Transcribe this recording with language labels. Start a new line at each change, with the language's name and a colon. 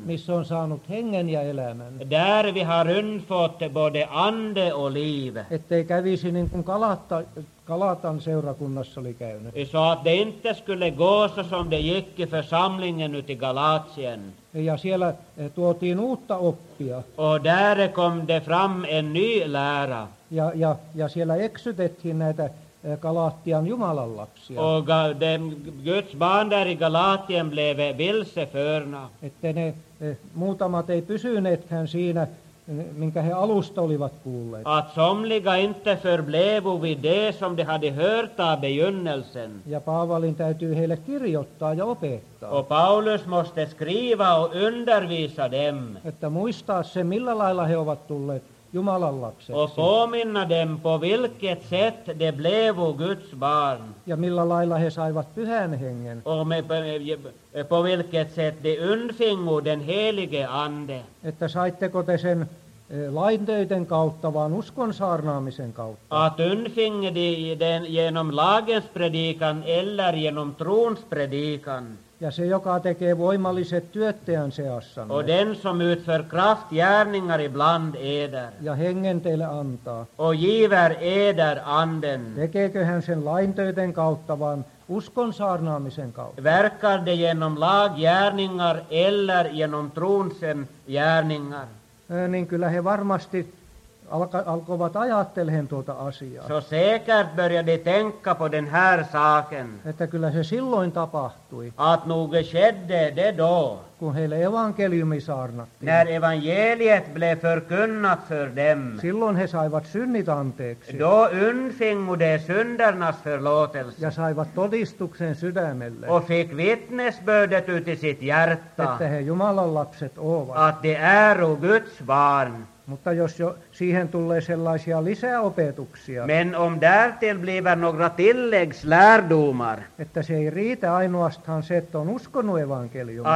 Finnish: Missä on saanut hengen ja elämän.
Swedish: Där vi har unfått både ande och liv.
Finnish: Ettei kävisi niin kuin Kalatan seurakunnassa oli käynyt.
Swedish: Så att det inte skulle gå så som det gick i församlingen ut i Galatien.
Finnish: Ja siellä tuotiin uutta oppia.
Swedish: Och där kom det fram en ny lära.
Finnish: Ja siellä eksytettiin näitä Galatian Jumalan lapsia.
Swedish: Och Guds barn där i Galatien blev vilseförna.
Finnish: Että ne muutamat ei pysyneetkään siinä, minkä he alusta olivat kuulleet.
Swedish: Att somliga inte förblevo vid det som de hade hört av begynnelsen.
Finnish: Ja Paavalin täytyy heille kirjoittaa ja opettaa.
Swedish: Och Paulus måste skriva och undervisa dem.
Finnish: Että muistaa se, millä lailla he ovat tulleet Jumalan lapseksi.
Swedish: Och påminna dem på vilket sätt de blevo Guds barn.
Finnish: Ja millä lailla he saivat pyhän hengen.
Swedish: På vilket sätt de undfingo den helige ande.
Finnish: Että saitteko te sen laintöiden kautta, vaan uskon saarnaamisen kautta.
Swedish: Att undfingo den genom lagens predikan eller genom trons predikan.
Finnish: Ja se, joka tekee voimalliset työttäjän seassanne.
Swedish: Och den som utför kraftgärningar ibland eder.
Finnish: Ja hengen teille antaa.
Swedish: Och giver eder anden.
Finnish: Tekeekö hän sen laintöiden kautta, vaan uskon saarnaamisen kautta.
Swedish: Verkar det genom laggärningar eller genom tronsen gärningar.
Finnish: Niin kyllä he varmasti alkoivat ajattelemaan tuota asiaa.
Swedish: Så säkert började tänka på den här saken.
Finnish: Että kyllä se silloin tapahtui.
Swedish: Att nog skedde det då.
Finnish: Kun heille evankeliumi saarnattiin.
Swedish: När evangeliet blev förkunnat för dem.
Finnish: Silloin he saivat synnit anteeksi.
Swedish: Då unfingo de syndernas förlåtelse.
Finnish: Ja saivat todistuksen sydämelle.
Swedish: Och fick vittnesbördet ut i sitt hjärta.
Finnish: Että he Jumalan lapset ovat.
Swedish: Att de äro Guds barn.
Finnish: Mutta jos jo siihen tulee sellaisia lisäopetuksia.
Swedish: Men om därtill blir några tilläggslärdomar.
Finnish: Että se ei riitä ainoastaan se, että on uskonut evankeliumia.